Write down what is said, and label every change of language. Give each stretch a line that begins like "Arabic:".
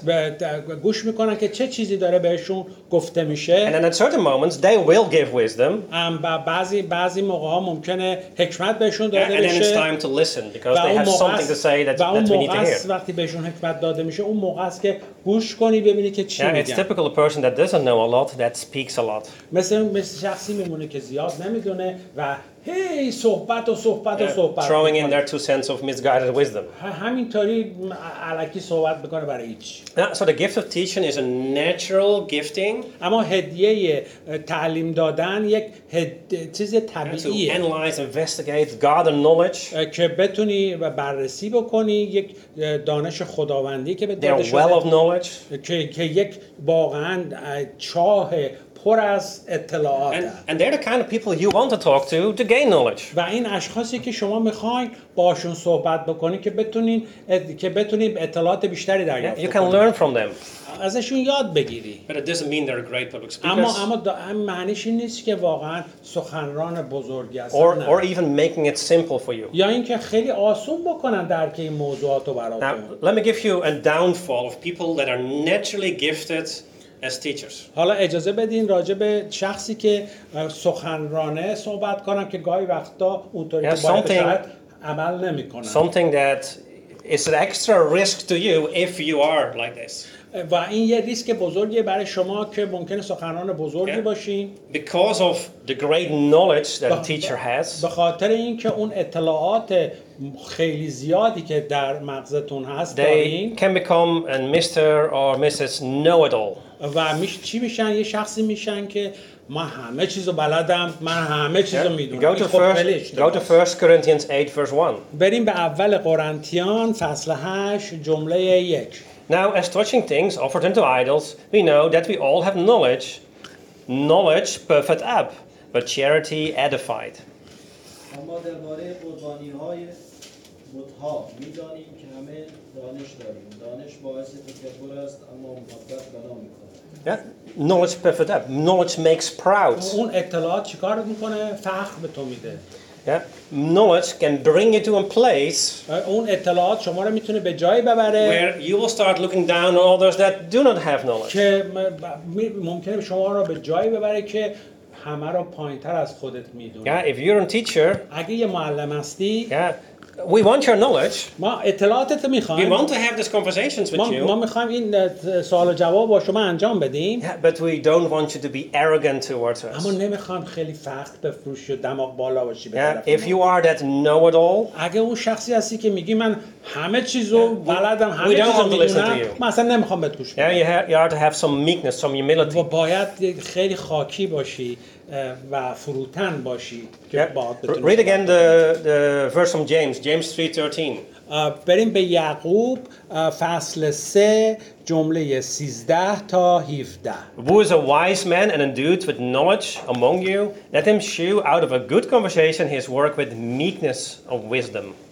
Persian: و گوش میکنن که چه چیزی داره بهشون گفته میشه.
English: And then at certain moments they will give wisdom.
Persian: بعضی موقع ها ممکنه حکمت بهشون داده بشه.
English: And then it's time to listen because they have something to say that we need to hear.
Persian: وقتی بهشون حکمت داده میشه، اون موقع است که گوش کنی ببینی که چی میگن.
English: Yeah, it's typical a person that doesn't know a lot that speaks a lot.
Persian: مثل شخصی میمونه که زیاد نمیدونه و هی صحبت و صحبت و صحبت.
English: Throwing in their two cents of misguided wisdom.
Persian: همینطوری علکی صحبت میکنه برای هیچ.
English: So the gift of teaching is a natural gifting.
Persian: اما هدیه تعلیم دادن یک چیز طبیعیه.
English: To analyze, investigate, gather knowledge.
Persian: که بتونی و بررسی بکنی یک دانش خداوندی که به داده شده.
English: Their well of knowledge.
Persian: که یک واقعاً چاه پر از اطلاعات.
English: And they're the kind of people you want to talk to gain knowledge.
Persian: و این اشخاصی که شما میخواین باشون صحبت بکنی که بتونین اطلاعات بیشتری دریافت کنی.
English: You can learn from them.
Persian: ازشون یاد بگیری.
English: But it doesn't mean they're great public speakers.
Persian: اما معنیش این نیست که واقعا سخنران بزرگی هستن.
English: Or even making it simple for you.
Persian: یا اینکه خیلی آسون بکنن درک این موضوعات رو براتون.
English: Let me give you a downfall of people that are naturally gifted as teachers.
Persian: حالا اجازه بدین راجع به شخصی که سخنرانه صحبت کنم که گاهی وقتا اونطوری که باید عمل نمی کنه.
English: Something that is an extra risk to you if you are like this.
Persian: و این یه ریسک بزرگی برای شما که ممکنه سخنران بزرگی yeah. باشین.
English: Because of the great knowledge that the teacher has.
Persian: به خاطر اینکه اون اطلاعات خیلی زیادی که در مغزتون هست دارین.
English: They can become a Mr. or Mrs. Know-it-all.
Persian: و چی میشن؟ یه شخصی میشن که من همه چیزو بلدم، من همه چیزو میدونم.
English: Go to first Corinthians 8 verse 1.
Persian: بریم به اول قرنتیان فصل 8 جمله 1.
English: Now as touching things offered unto idols, we know that we all have knowledge. Knowledge perfect up, but charity edified.
Persian: ما درباره قربانی‌های بت‌ها می‌دانیم که همه دانش داریم. دانش باعث تکبر است، اما محبت بنا می‌کند.
English: Yeah. Knowledge perfect up. Knowledge makes proud.
Persian: اون اطلاعات چیکار میکنه؟ فخر به تو میده.
English: Yeah. Knowledge can bring you to a place.
Persian: اون اطلاعات شما رو میتونه به جایی ببره.
English: Where you will start looking down on others that do not have knowledge.
Persian: که ممکنه شما رو به جایی ببره که همه رو پایین‌تر از خودت میدونه.
English: Yeah. If you're a teacher.
Persian: اگه یه معلم هستی.
English: Yeah. We want your knowledge.
Persian: ما اطلاعاتت رو میخوایم.
English: We want to have these conversations with you.
Persian: ما میخوایم این سوال و جواب با شما انجام بدیم.
English: Yeah, but we don't want you to be arrogant towards us.
Persian: اما نمیخوام خیلی فخر بفروشی و دماغ بالا باشی.
English: Yeah, if you are that know-it-all.
Persian: اگه اون شخصی هستی که میگی من همه چیزو بلدم، همه چیزو میدونم، من اصلا نمیخوام بهت گوش بدم.
English: Yeah, you have to have some meekness, some humility.
Persian: و باید خیلی خاکی باشی و فروتن باشی که yeah. باعث بتونی.
English: Read again the verse from James 3:13.
Persian: بریم به یعقوب فصل 3 جمله 13 تا 17.
English: Who is a wise man and endued with knowledge among you? Let him shew out of a good conversation his work with meekness of wisdom.